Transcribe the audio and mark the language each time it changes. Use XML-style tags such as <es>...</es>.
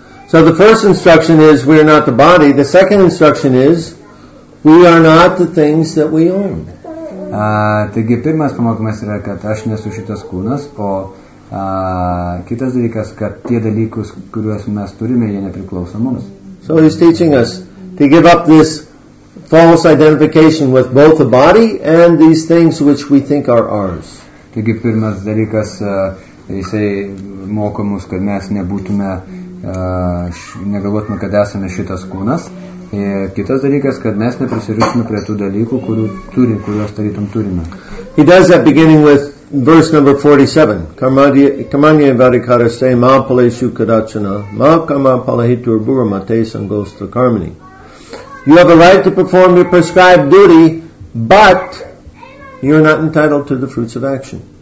<en>So the first instruction is, we are not the body. The second instruction is, we are not the things that we own.</en> <lt>Taigi, pirmas pamokymas yra, kad aš nesu šitas kūnas, o kitas dalykas, kad tie dalykus, kuriuos mes turime, jie nepriklauso mums.</lt> <en>So he's teaching us to give up this false identification with both the body and these things which we think are ours.</en> <lt>Taigi pirmas dalykas, jisai moko mus, kad mes nebūtume, negalvotume, kad esame šitas kūnas. Ir kitas dalykas, kad mes neprisirišime prie tų dalykų, kuriuos tarytum turime.</lt> <en>He does that beginning with verse number 47.</en> <sa>Kamanya vadikara se ma paleshu kadachana ma kama palahitur burama te sangostra karmani.</sa> <en>You have a right to perform your prescribed duty, but you're not entitled to the fruits of action.</en>